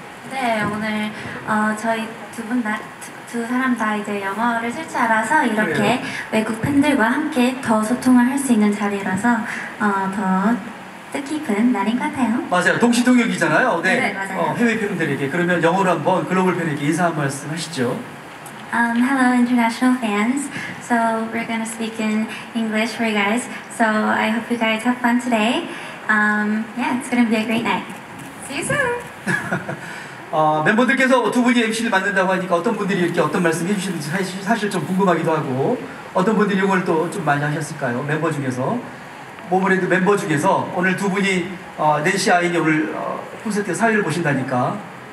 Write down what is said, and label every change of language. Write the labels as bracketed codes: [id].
[ko] 네, 오늘 저희 두 사람 다 이제 영어를 쓸 줄 알아서 이렇게 그래요. 외국 팬들과 함께 더 소통을 할 수 있는 자리라서 더 뜻깊은 날인 것 같아요. 맞아요, 동시통역이잖아요. 네, 네 맞아요. 해외 팬들에게 그러면 영어로 한번 글로벌 팬에게 인사 한 말씀 하시죠. [en] Hello, international fans. So we're gonna speak in English for you guys. So I hope you guys have fun today. Yeah, it's gonna be a great night. See you soon. [ko] 멤버들께서 두 분이 MC를 만든다고 하니까 어떤 분들이 이렇게 어떤 말씀 해주시는지 사실 좀 궁금하기도 하고 어떤 분들이 이걸 또 좀 많이 하셨을까요? 멤버 중에서 모모랜드 멤버 중에서 오늘 두 분이 낸시 아이니 오늘 콘서트 사회를 보신다니까.